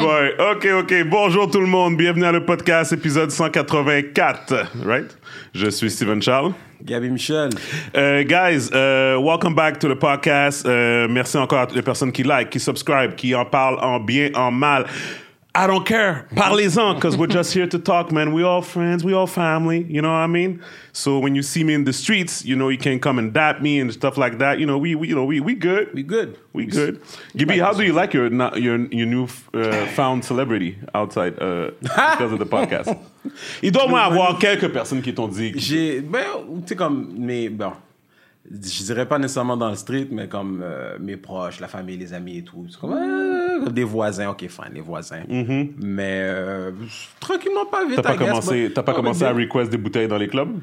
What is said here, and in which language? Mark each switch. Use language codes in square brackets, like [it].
[fr] Oh boy. OK, OK. Bonjour tout le monde. Bienvenue à le podcast épisode 184. Right? Je suis Steven Charles. Gabby Michel. [en] Guys, welcome back to the podcast. [fr] Merci encore à toutes les personnes qui like, qui subscribe, qui en parlent en bien, en mal. [en] I don't care. [fr] Parlez-en, [en] because we're just here to talk, man. We all friends. We all family. You know what I mean? So when you see me in the streets, you know, you can come and dap me and stuff like that. You know, we good. We good. We good. Gibby, how do you like your new found celebrity outside because of the podcast? [fr] Il doit moins avoir quelques personnes qui t'ont dit. Je dirais pas nécessairement dans le street, mais comme mes proches, la famille, les amis et tout. C'est comme des voisins, ok, fine, les voisins. Mm-hmm. Mais tranquillement, pas vite. T'as pas commencé, à request des bouteilles dans les clubs?